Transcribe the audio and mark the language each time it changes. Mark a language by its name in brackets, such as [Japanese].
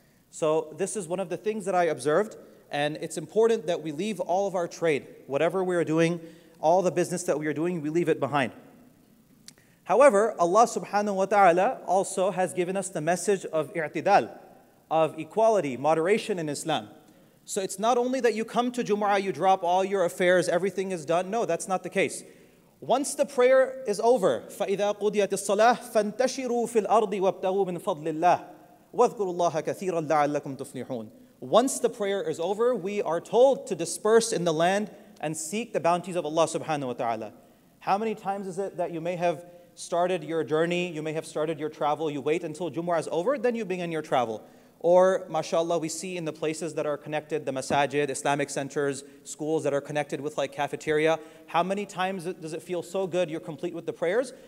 [English] So this is one of the things that I observed, and it's important that we leave all of our trade, whatever we are doing, all the business that we are doing, we leave it behind. However, Allah subhanahu wa ta'ala also has given us the message of i'tidal, of equality, moderation in Islam. So it's not only that you come to Jumu'ah, you drop all your affairs, everything is done. No, that's not the case. Once the prayer is over, [Arabic] فَإِذَا قُضِيَتِ الصَّلَاةِ فَانْتَشِرُوا فِي الْأَرْضِ وَابْتَغُوا مِنْ فَضْلِ اللَّهِ وَاذْكُرُوا اللَّهَ كَثِيرًا لَعَلَّكُمْ تُفْلِحُونَ. [English] Once the prayer is over, we are told to disperse in the land and seek the bounties of Allah subhanahu wa ta'ala. How many times is it that you may have started your journey, you may have started your travel, you wait until Jumu'ah is over, then you begin your travel. Or, mashallah, we see in the places that are connected, the masajid, Islamic centers, schools that are connected with like cafeteria, how many times does it feel so good you're complete with the prayers?